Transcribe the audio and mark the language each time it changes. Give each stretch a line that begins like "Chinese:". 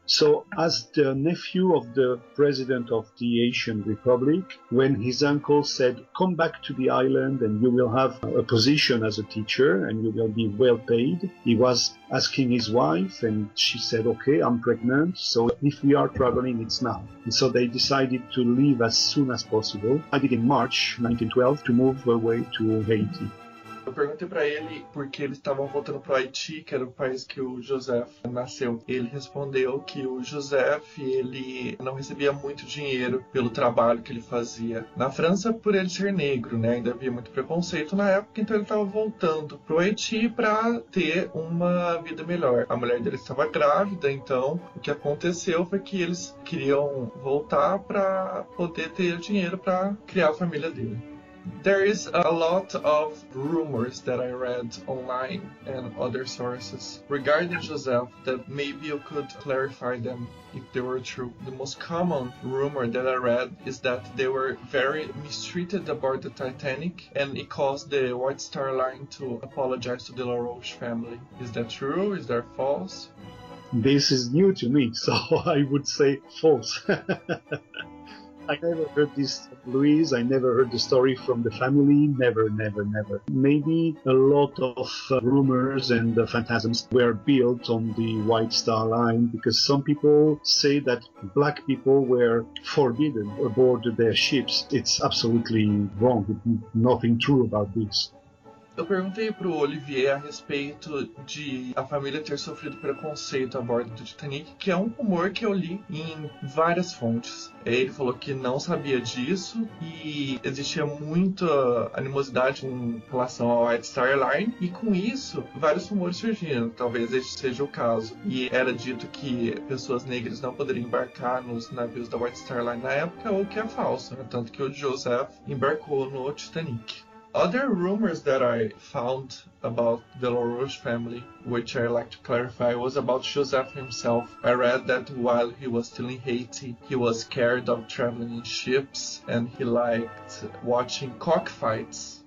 English: So, as the nephew of the president of the Haitian Republic, when his uncle said, come back to the island and you will have a position as a teacher and you will be well paid, he was asking his wife and she said, okay, I'm pregnant, so if we are traveling, it's now. And so they decided to leave as soon as possible. I did in March 1912 to move away to Haiti.
Portuguese: Eu perguntei para ele por que eles estavam voltando para o Haiti, que era o país que o Joseph nasceu. Ele respondeu que o Joseph, ele não recebia muito dinheiro pelo trabalho que ele fazia na França, por ele ser negro, né? Ainda havia muito preconceito na época, então ele estava voltando para o Haiti para ter uma vida melhor. A mulher dele estava grávida, então o que aconteceu foi que eles queriam voltar para poder ter dinheiro para criar a família dele.
English: There is a lot of rumors that I read online and other sources regarding Joseph that maybe you could clarify them if they were true. The most common rumor that I read is that they were very mistreated aboard the Titanic and it caused the White Star Line to apologize to the LaRoche family. Is that true? Is that false? This is new to me, so I would say false. I never heard this, Louise. I never heard the story from the family. Never, never, never. Maybe a lot of rumors and phantasms were built on the White Star Line, because some people say that black people were forbidden aboard their ships. It's absolutely wrong. Nothing true about this.
Portuguese: Eu perguntei pro Olivier a respeito de a família ter sofrido preconceito a bordo do Titanic, que é um rumor que eu li em várias fontes. Ele falou que não sabia disso e existia muita animosidade em relação ao White Star Line, e com isso, vários rumores surgiram, talvez este seja o caso. E era dito que pessoas negras não poderiam embarcar nos navios da White Star Line na época, o que é falso, né? Tanto que o Joseph embarcou no Titanic.
English: Other rumors that I found about the LaRouche family, which I like to clarify, was about Joseph himself. I read that while he was still in Haiti, he was scared of traveling in ships and he liked watching cockfights.